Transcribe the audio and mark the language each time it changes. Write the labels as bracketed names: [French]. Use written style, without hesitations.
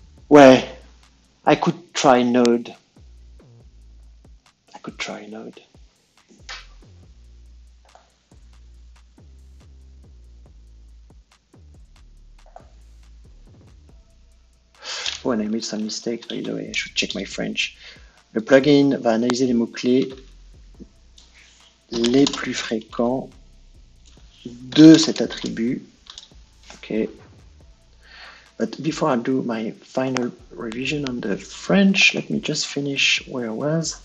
[French] Ouais. [English] I could try node. I could try node. Oh, and I made some mistakes, by the way, I should check my French. [French] Le plugin va analyser les mots-clés les plus fréquents de cet attribut. [English] Okay. But before I do my final revision on the French, let me just finish where I was.